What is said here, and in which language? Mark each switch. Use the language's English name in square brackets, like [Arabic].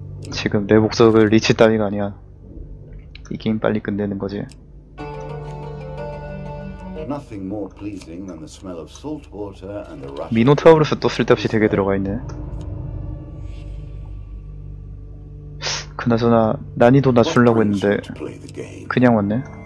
[Korean] 지금 내 목적을 리치 따위가 아니야. 이 게임 빨리 끝내는 거지. [English] Nothing more pleasing than the smell of salt water and the rush. [Korean] 미노타우루스 또 쓸데없이 되게 들어가 있네. 그나저나 난이도 낮추려고 했는데 그냥 왔네.